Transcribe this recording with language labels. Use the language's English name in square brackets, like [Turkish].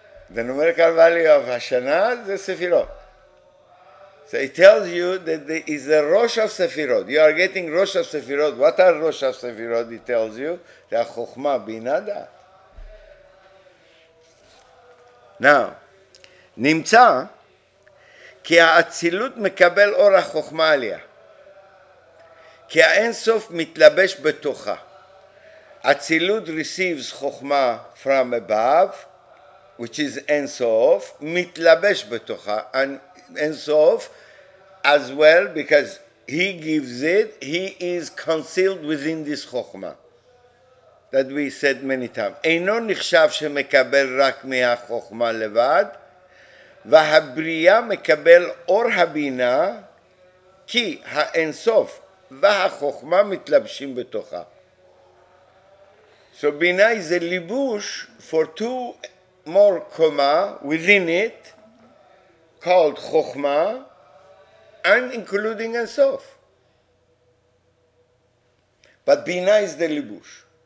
[English] The numerical value of Hashanah is the Sefirot. So it tells you that there is the Rosh of Sefirot. You are getting Rosh of Sefirot. What are Rosh of Sefirot? It tells you that Chokhmah Bina Da'at. [Hebrew] Now, Nimtza, כי האצילות מקבל אור החוכמה עליה. כי האינסוף מתלבש בתוכה. [English] אצילות receives חוכמה from above, which is אינסוף, [Hebrew] מתלבש בתוכה. [English] And אינסוף as well, because he gives it, he is concealed within this חוכמה. That we said many times. [Hebrew] אינו נחשב שמקבל רק מהחוכמה לבד, והבריאה מקבל אור הבינה כי האינסוף והחוכמה מתלבשים בתוכה. [English] So בינה is a libush for two more koma within it called חוכמה and including אינסוף. But בינה is the libush.